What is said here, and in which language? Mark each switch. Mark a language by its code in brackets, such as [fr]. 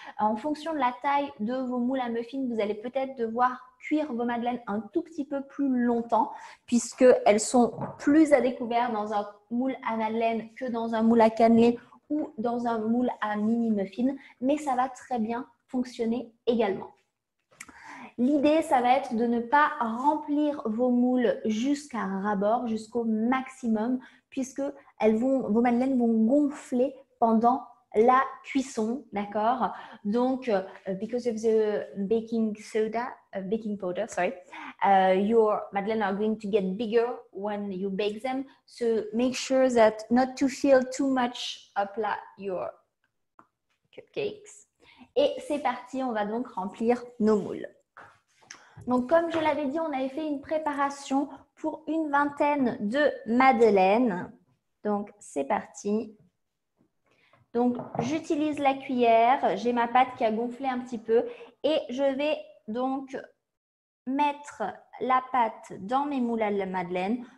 [fr] En fonction de la taille de vos moules à muffins, vous allez peut-être devoir cuire vos madeleines un tout petit peu plus longtemps puisqu'elles sont plus à découvert dans un moule à madeleine que dans un moule à cannelés ou dans un moule à mini muffins, mais ça va très bien fonctionner également. L'idée, ça va être de ne pas remplir vos moules jusqu'à ras-bord, jusqu'au maximum, puisque vos madeleines vont gonfler pendant la cuisson, d'accord? [en] Donc, because of the baking powder, your madeleines are going to get bigger when you bake them. So, make sure that not to fill too much up your cupcakes. [fr] Et c'est parti, on va donc remplir nos moules. Donc, comme je l'avais dit, on avait fait une préparation pour 20 de madeleines. Donc, c'est parti. Donc, j'utilise la cuillère. J'ai ma pâte qui a gonflé un petit peu. Et je vais donc mettre la pâte dans mes moules à la madeleine.